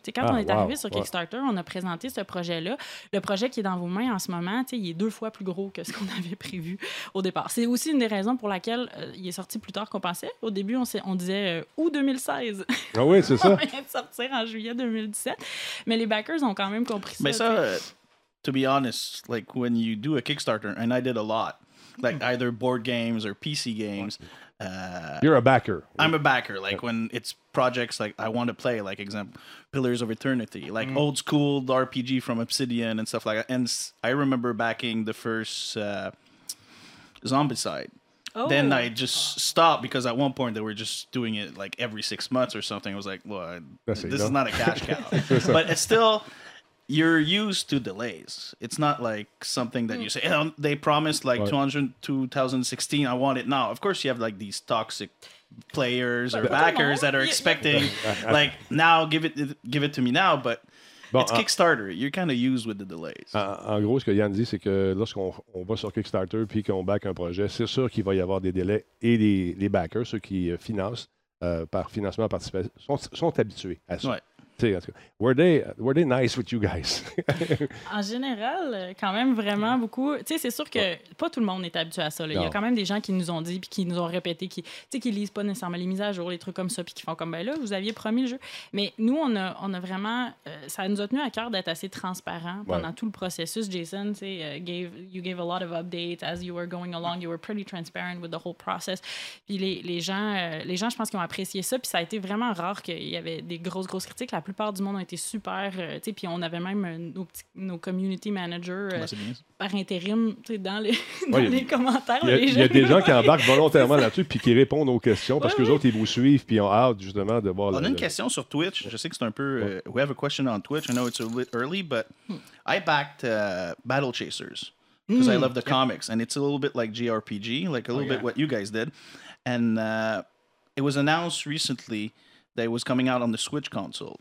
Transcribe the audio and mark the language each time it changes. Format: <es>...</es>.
<fr>T'sais, quand on est arrivé sur Kickstarter, on a présenté ce projet-là. Le projet qui est dans vos mains en ce moment, tu sais, il est deux fois plus gros que ce qu'on avait prévu au départ. C'est aussi une des raisons pour laquelle il est sorti plus tard qu'on pensait. Au début, on disait août 2016. Ah oui, c'est ça. On vient de sortir en juillet 2017. Mais les backers ont quand même compris ça. Mais ça,</fr> <en>to be honest, like when you do a Kickstarter, and I did a lot, like either board games or PC games. You're a backer. I'm a backer. Like when it's projects like I want to play, like example, Pillars of Eternity, like old school RPG from Obsidian and stuff like that. And I remember backing the first Zombicide. Oh. Then I just stopped because at one point they were just doing it like every 6 months or something. I was like, well, this is not a cash cow. But it's still, you're used to delays. It's not like something that you say, hey, they promised like 2016, I want it now. Of course, you have like these toxic players or backers that are expecting like now, give it to me now. But bon, it's Kickstarter. You're kind of used with the delays.</en> <fr>En gros, ce que Yann dit, c'est que lorsqu'on va sur Kickstarter puis qu'on back un projet, c'est sûr qu'il va y avoir des délais et les backers, ceux qui financent par financement participatif, sont habitués à ça. Ouais. T'sais, en tout cas,</fr> <en>were they nice with you guys?</en> <fr>En général, quand même vraiment beaucoup. Tu sais, c'est sûr que pas tout le monde est habitué à ça. Il y a quand même des gens qui nous ont dit puis qui nous ont répété qui lisent pas nécessairement les mises à jour, les trucs comme ça, puis qui font comme, ben là, vous aviez promis le jeu. Mais nous, on a vraiment... ça nous a tenu à cœur d'être assez transparent pendant tout le processus.</fr> <en>Jason,</en> <fr>tu sais,</fr> <en>you gave a lot of updates as you were going along. You were pretty transparent with the whole process.</en> <fr>Puis les gens, je pense qu'ils ont apprécié ça. Puis ça a été vraiment rare qu'il y avait des grosses critiques. La plupart du monde ont été super, tu sais, puis on avait même nos community managers par intérim, tu sais, dans les commentaires. Il y a des gens qui embarquent volontairement là-dessus puis qui répondent aux questions parce que eux autres, ils vous suivent puis ils ont hâte justement de voir. On a une question sur Twitch. Je sais que c'est un peu.</fr> <en>We have a question on Twitch. I know it's a little early, but I backed Battle Chasers because I love the comics and it's a little bit like JRPG, like a little bit what you guys did. And it was announced recently that was coming out on the Switch console.</en>